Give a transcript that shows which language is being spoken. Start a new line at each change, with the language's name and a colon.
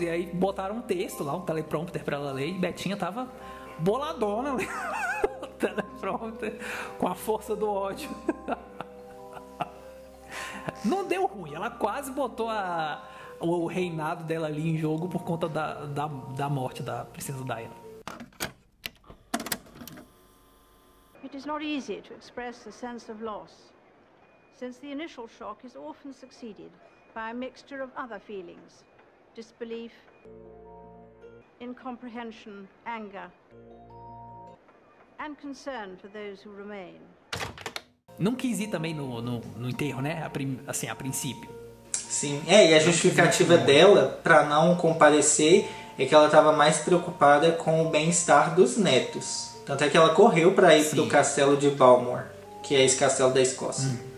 Portuguese: E aí botaram um texto lá, um teleprompter pra ela ler. E Betinha tava boladona ali, o teleprompter, com a força do ódio. Não deu ruim, ela quase botou o reinado dela ali em jogo por conta da morte da princesa Diana.
English: It is not easy to express the sense of loss, since the initial shock is often succeeded by a mixture of other feelings: disbelief, incomprehension, anger, and concern for those who remain.
Portuguese: não quis ir também no enterro, né? Assim, a princípio. Sim, é, e a não justificativa dela para não comparecer é que ela estava mais preocupada com o bem-estar dos netos. Tanto é que ela correu para ir pro castelo de Balmoral, que é esse castelo da Escócia.